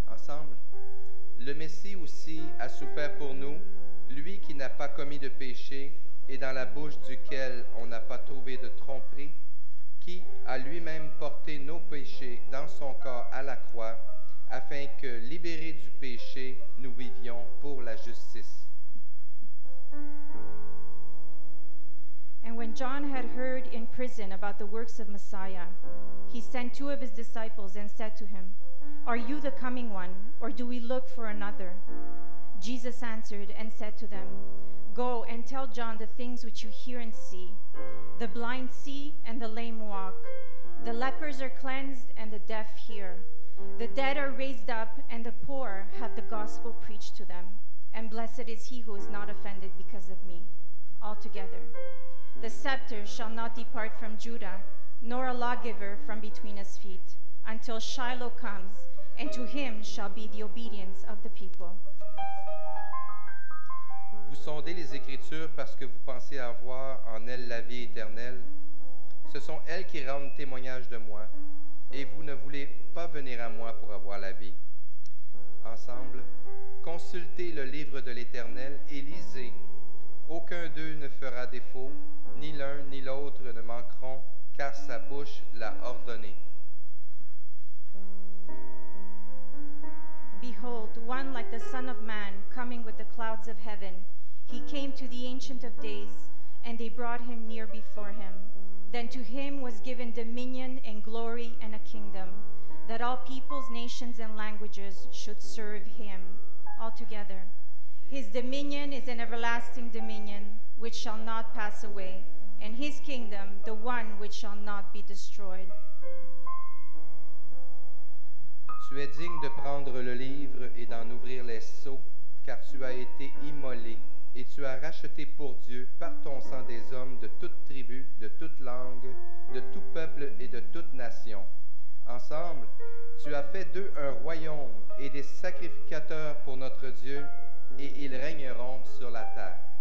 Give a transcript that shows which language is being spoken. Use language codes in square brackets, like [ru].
[fr] Ensemble, le Messie aussi a souffert pour nous, lui qui n'a pas commis de péché et dans la bouche duquel on n'a pas trouvé de tromperie, qui a lui-même porté nos péchés dans son corps à la croix, afin que, libérés du péché, nous vivions pour la justice. [en] And when John had heard in prison about the works of Messiah, he sent two of his disciples and said to him, "Are you the coming one, or do we look for another?" Jesus answered and said to them, "Go and tell John the things which you hear and see. The blind see, and the lame walk. The lepers are cleansed, and the deaf hear. The dead are raised up, and the poor have the gospel preached to them. And blessed is he who is not offended because of me." Altogether, the scepter shall not depart from Judah, nor a lawgiver from between his feet, until Shiloh comes, and to him shall be the obedience of the people. [fr] Vous sondez les Écritures parce que vous pensez avoir en elles la vie éternelle. Ce sont elles qui rendent témoignage de moi, et vous ne voulez pas venir à moi pour avoir la vie. Ensemble, consultez le livre de l'Éternel et lisez. Aucun d'eux ne fera défaut, ni l'un ni l'autre ne manqueront, car sa bouche l'a ordonné. [en] Behold, one like the Son of Man coming with the clouds of heaven. He came to the Ancient of Days, and they brought him near before him. Then to him was given dominion and glory and a kingdom, that all peoples, nations, and languages should serve him altogether. His dominion is an everlasting dominion which shall not pass away, and his kingdom the one which shall not be destroyed. [fr] Tu es digne de prendre le livre et d'en ouvrir les sceaux, car tu as été immolé, et tu as racheté pour Dieu par ton sang des hommes de toute tribu, de toute langue, de tout peuple et de toute nation. Ensemble, tu as fait d'eux un royaume et des sacrificateurs pour notre Dieu, et ils régneront sur la terre.